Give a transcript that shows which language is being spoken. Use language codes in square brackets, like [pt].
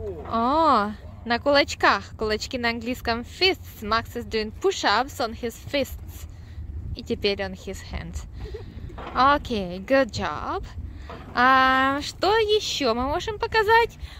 [ru] О, на кулачках. Кулачки на английском fists. [en] Max is doing push-ups on his fists. [ru] И теперь [en] on his hands. Окей, good job. [ru] А, что еще мы можем показать?